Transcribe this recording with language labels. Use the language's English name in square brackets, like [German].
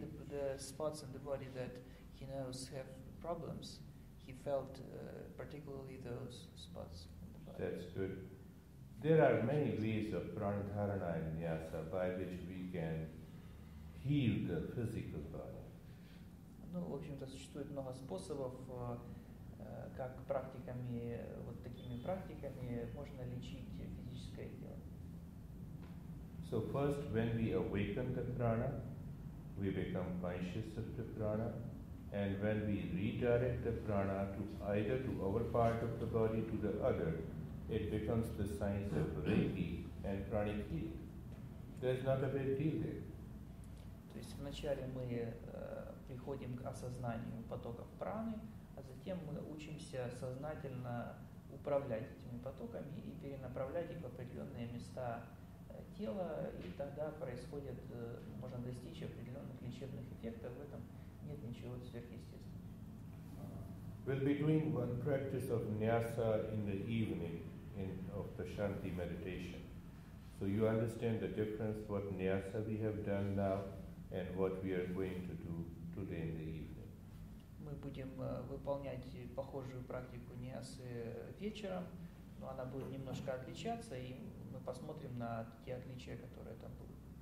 [English] the spots in the body that he knows have problems, he felt particularly those spots in the body. That's good. There are many ways of pranadharana and nyasa by which we can heal the physical body. [Russian] Ну, в общем-то, существует много способов, как практиками, вот такими практиками можно лечить физическое тело. [English] So first, when we awaken the prana, we become conscious of the prana, and when we redirect the prana to either to our part of the body to the other, it becomes the science of Reiki and pranic healing. There's not a big deal there. [Russian] То есть вначале мы приходим к осознанию потоков праны, а затем мы учимся сознательно управлять этими потоками и перенаправлять их в определенные места тела, и тогда происходит, можно достичь определенных лечебных эффектов, в этом нет ничего сверхъестественного. [English] We'll be doing one practice of nyasa in the evening in of the shanti meditation. So you understand the difference what nyasa we have done now and what we are going to do today in the evening. [Russian] Мы будем выполнять похожую практику нясы вечером, но она будет немножко отличаться, и мы посмотрим на те отличия, которые там будут.